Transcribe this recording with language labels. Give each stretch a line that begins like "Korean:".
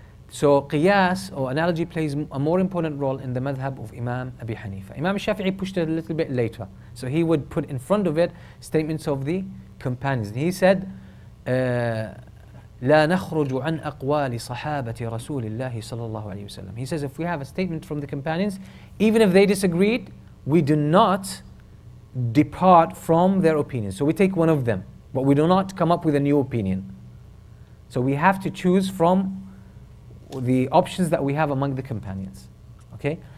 English: So qiyas or analogy plays a more important role in the madhab of Imam Abi Hanifa. Imam al-Shafi'i pushed it a little bit later. So he would put in front of it statements of the companions. He said,
Arabic: لا نخرج عن أقوال صحابة رسول الله صلى الله عليه وسلم.
English: He says, if we have a statement from the companions, even if they disagreed, we do not depart from their opinions. So we take one of them, but we do not come up with a new opinion. So we have to choose from the options that we have among the companions. Okay?